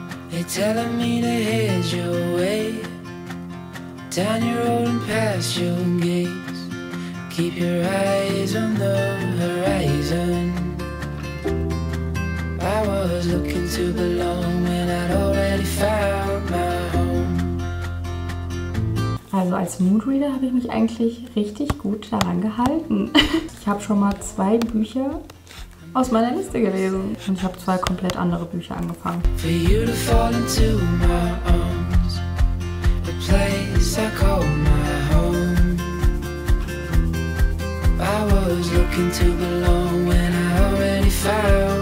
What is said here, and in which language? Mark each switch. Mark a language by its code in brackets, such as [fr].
[en] They're telling me to head your way down your road and past your gates. Keep your eyes on the horizon. I was looking to belong when I'd already found my. [de] Also als Moodreader habe ich mich eigentlich richtig gut daran gehalten. Ich habe schon mal 2 Bücher aus meiner Liste gelesen. Und ich habe 2 komplett andere Bücher angefangen. [en] For you to fall into my arms, the place I call my home. I was looking to belong when I already found.